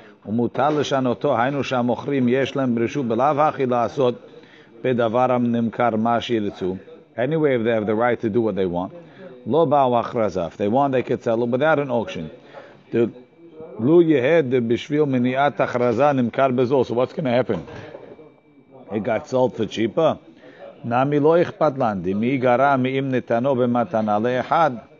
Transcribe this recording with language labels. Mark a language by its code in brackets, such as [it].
[he] ומותר לשנותו, היינו שהמוכרים יש להם רשות בלאו הכי לעשות בדבר הנמכר מה שירצו. [en] Anyway, if they have the right to do what they want. [he] לא באו הכרזה. [en] If they want, they could sell it without an auction. [he] לו יהד בשביל מניעת הכרזה נמכר בזול. [en] So what's going to happen? It got sold for cheaper? [he] נמי לא אכפת לנדי. מי גרע מאם נתנו במתנה לאחד?